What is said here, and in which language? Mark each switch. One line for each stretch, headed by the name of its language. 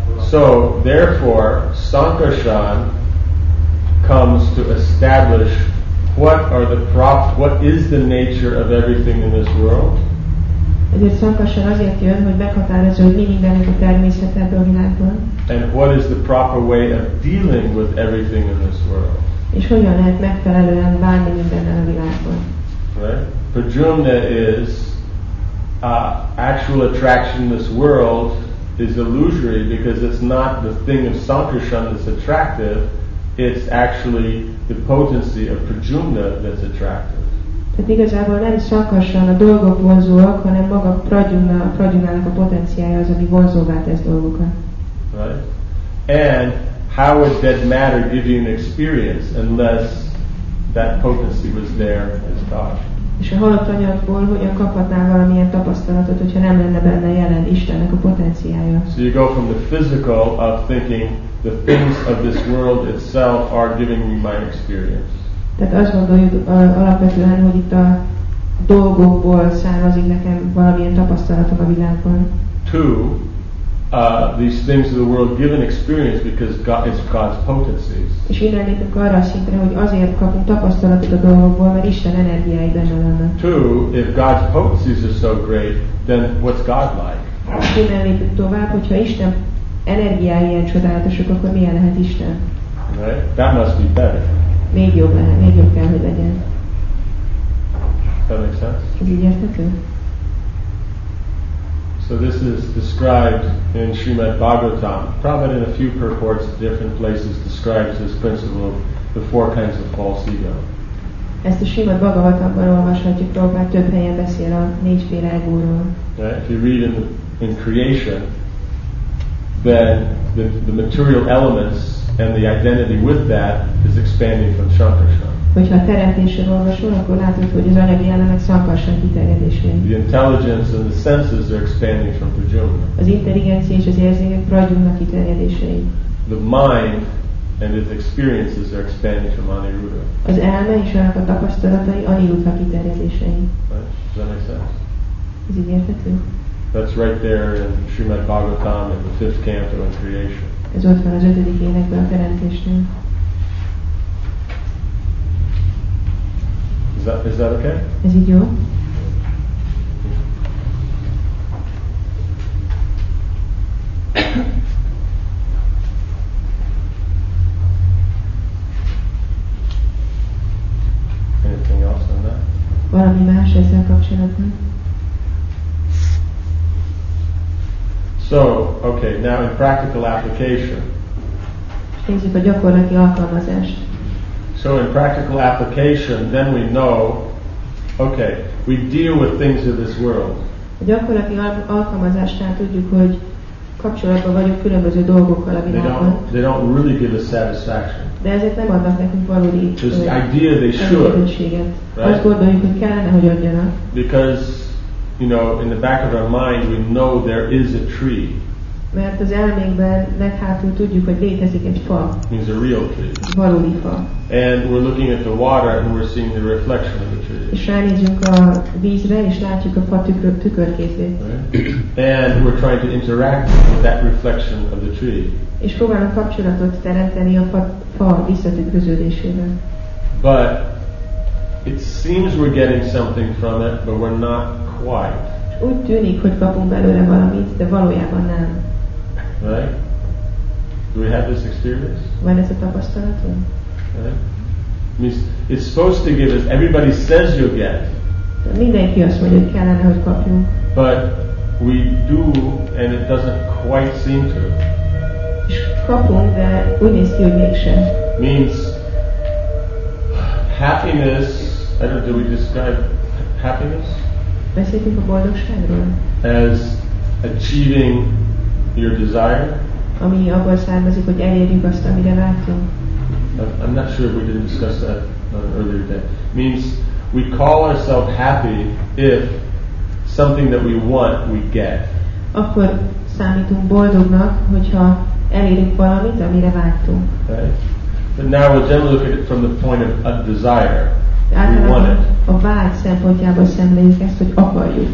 English: So, therefore, Sankarshan comes to establish what is the nature of everything in this world?
Hungarian: Ezért Sankarshan azért jön, hogy meghatározza, hogy mi mindennek a természet ebben a világban.
English: And what is the proper way of dealing with everything in this world?
Hungarian: És hogyan lehet megfelelően bánni mindennel a világban?
English: Right? Prajumna is actual attraction in this world is illusory because it's not the thing of Sankarshan that's attractive, it's actually the potency of Prajumna that's attractive.
Hungarian: Tehát igazából nem Sankarshan a dolgok vonzóak, hanem maga Prajumna, a Prajumnának a potenciája az, ami vonzóvá tesz dolgokat.
English: Right? And how would dead matter give you an experience unless that potency was there as God?
Hungarian: És a halott anyagból hogyan kaphatnál valamilyen tapasztalatot, hogyha nem lenne benne jelen Istennek a potenciája?
English: So you go from the physical of thinking the things of this world itself are giving me my experience.
Hungarian: Tehát azt gondoljuk alapvetően, hogy itt a dolgokból származik nekem valamilyen tapasztalatom a világban.
English: Two, these things of the world give an experience because God is God's potencies.
Hungarian: És innen lépünk arra a szintre, hogy azért kapunk tapasztalatot a dolgokból, mert Isten energiái benne lenne.
English: Two, if God's potencies are so great, then what's God like?
Hungarian: És innen lépünk tovább, hogyha Isten energiái ilyen csodálatosak, akkor milyen lehet Isten?
English: Right? That must be better.
Hungarian: Még jobb lehet, még jobb kell, hogy legyen.
English: That makes sense?
Hungarian: Ez így értető?
English: So this is described in Srimad Bhagavatam. Prabhupada in a few purports at different places describes this principle of the four kinds of false ego.
Hungarian: Ezt a Srimad Bhagavatamban olvashatjuk, Prabhupada több helyen beszél a négyféle egóról.
English: Right? If you read in creation, then the material elements and the identity with that is expanding from Sankarshan.
Hungarian: Hogyha a teremtésről olvasol, akkor látod, hogy az anyagi elemek Sankarshan kiterjedésén.
English: The intelligence and the senses are expanding from Prajumna.
Hungarian: Az intelligencia és az érzékek Prajumna kiterjedésén.
English: The mind and its experiences are expanding from Aniruddha.
Hungarian: Az elme és annak a tapasztalatai Aniruddha kiterjedésén.
English: Does that make sense?
Hungarian: Ez így érthető?
English: That's right there in Srimad Bhagavatam in the fifth canto in creation.
Hungarian: Ez ott van az ötödik énekben a teremtésnél.
English: Is that okay?
Hungarian: Ez így jó?
English: Anything else on that?
Hungarian: Valami más ezzel kapcsolatban?
English: So, okay, now in practical application.
Hungarian: Nézzük a gyakorlati alkalmazást.
English: So in practical application, then we know, okay, we deal with things of this world.
Hungarian: A gyakorlati alkalmazásnál tudjuk, hogy kapcsolatban vagyunk különböző dolgokkal a világban.
English: They don't really give us satisfaction.
Hungarian: De ezek nem adnak nekünk valódi elégedettséget. Azt gondoljuk, hogy kellene, hogy adjanak.
English: Because, you know, in the back of our mind, we know there is a tree.
Hungarian: Mert az elménkben leghátul tudjuk, hogy létezik egy fa.
English: Means a real tree.
Hungarian: Valódi fa.
English: And we're looking at the water and we're seeing the reflection of the tree.
Hungarian: És ránézünk a vízre és látjuk a fa tükörkézét.
English: Right? And we're trying to interact with that reflection of the tree.
Hungarian: És próbálunk kapcsolatot teremteni a fa visszatükröződésével.
English: But it seems we're getting something from it, but we're not quite.
Hungarian: Úgy tűnik, hogy kapunk belőle valamit, de valójában nem.
English: Right? Do we have this experience?
Hungarian: Van ez a tapasztalatunk?
English: Right? It's supposed to give us, everybody says you'll get.
Hungarian: Mindenki azt mondja, hogy kellene, hogy kapjunk.
English: But we do, and it doesn't quite seem to.
Hungarian: És kapunk, de úgy néz ki, hogy mégsem.
English: Means, happiness, I don't know, do we describe happiness?
Hungarian: Beszéltünk a boldogságról?
English: As achieving your desire?
Hungarian: Ami abból származik, hogy elérjük azt, amire vágyunk.
English: I'm not sure if we didn't discuss that earlier today. Means we call ourselves happy if something that we want, we get.
Hungarian: Akkor számítunk boldognak, hogyha elérünk valamit, amire vágytunk.
English: But now we'll just look at it from the point of a desire.
Hungarian: A vágy szempontjából szemléljük ezt, hogy akarjuk.